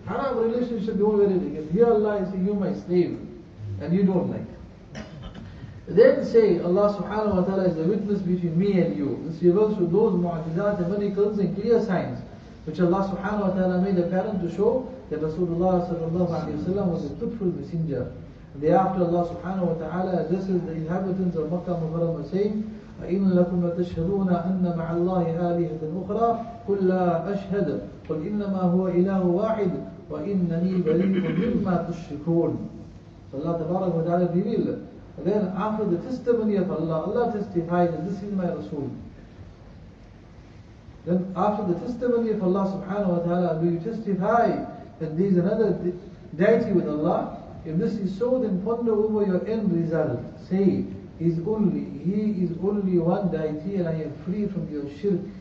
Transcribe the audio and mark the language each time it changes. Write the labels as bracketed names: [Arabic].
[English] Haram relationship, he won't wear it again. Here Allah is saying, you're my slave, and you don't like. Then say, Allah subhanahu wa ta'ala is the witness between me and you. This reverse to those mu'ajizat and miracles and clear signs, which Allah subhanahu wa ta'ala made apparent to show that Rasulullah sallallahu alayhi wa sallam was a truthful messenger. Thereafter Allah subhanahu wa ta'ala addresses the inhabitants of Makkah Muharram saying, [Arabic] أَإِنْ لَكُمْ لَتَشْهَدُونَ أَنَّ مَعَ اللَّهِ آلِهَةً أُخْرَى قُلْ لَا أَشْهَدَ قُلْ إِنَّمَا هُوَ إِلَهُ وَاحِدٌ وَإِنَّنِي بَرِيءٌ مِمَّا تُشْرِكُونَ. [English] So Allah tabarak wa ta'ala revealed. And then after the testimony of Allah, Allah testified that this is my Rasul. Then after the testimony of Allah subhanahu wa ta'ala, do you testify that there is another deity with Allah? If this is so, then ponder over your end result. Say, He is only one deity and I am free from your shirk.